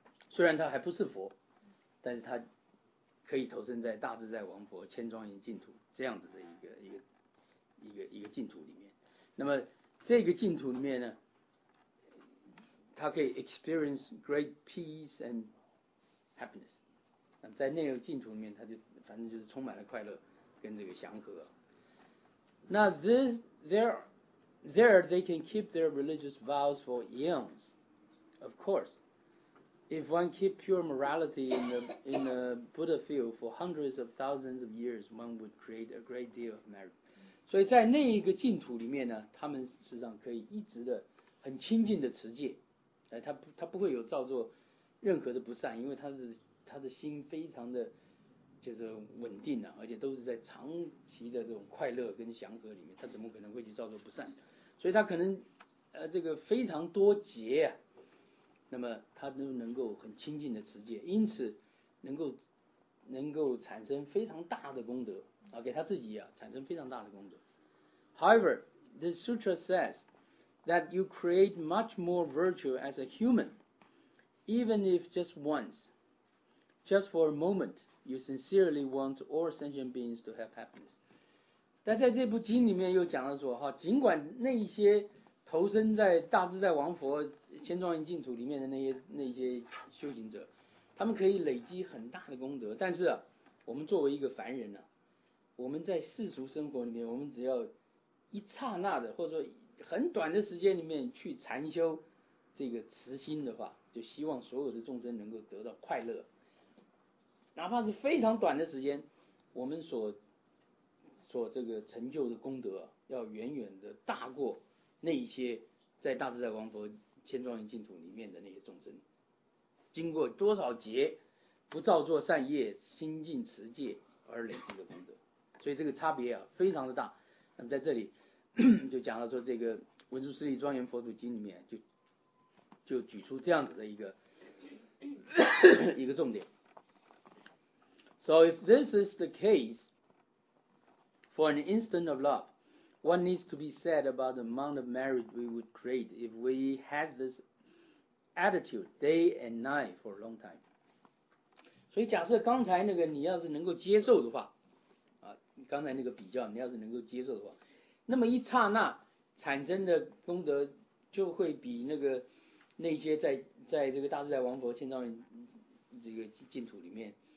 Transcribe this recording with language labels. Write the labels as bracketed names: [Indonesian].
[Chinese] 虽然他还不是佛，但是他可以投身在大自在王佛千庄严净土这样子的一个净土里面。那么这个净土里面呢，它可以 [English] experience great peace and happiness。 [Chinese] 那么在那个净土里面，它就反正就是充满了快乐跟这个祥和。 [English] 那 there they can keep their religious vows for eons。 Of course if one keep pure morality in the Buddha field for hundreds of thousands of years, one would create a great deal of merit。 [Chinese] 所以在那一个净土里面呢，他们实际上可以一直的很清净的持戒，他不会有造作任何的不善，因为他的心非常的就是稳定了、啊、而且都是在长期的这种快乐跟祥和里面，他怎么可能会去造作不善？所以他可能这个非常多劫啊，那么他都能够很清净的持戒，因此能够产生非常大的功德啊，给他自己啊产生非常大的功德。 [English] However, the sutra says that you create much more virtue as a human, even if just once, just for a moment, you sincerely want all sentient beings to have happiness. [Chinese] 但在这部经里面又讲了说哈，尽管那一些投身在大自在王佛千庄严净土里面的那些修行者，他们可以累积很大的功德，但是啊，我们作为一个凡人呢、啊，我们在世俗生活里面，我们只要一刹那的，或者说很短的时间里面去禅修这个慈心的话，就希望所有的众生能够得到快乐，哪怕是非常短的时间，我们所这个成就的功德、啊、要远远的大过那一些在大自在王佛千庄严净土里面的那些众生，经过多少劫不造作善业心净持戒而累积的功德，所以这个差别啊非常的大。那么在这里就讲到说，这个文殊师利庄严佛土经里面就举出这样子的一个重点。 [English] So if this is the case for an instant of loveWhat needs to be said about the amount of merit we would create if we had this attitude day and night for a long time? [Chinese] 所以假设刚才那个你要是能够接受的话、啊、刚才那个比较你要是能够接受的话，那么一刹那产生的功德就会比那些在这个大自在王佛千庄严这个净土里面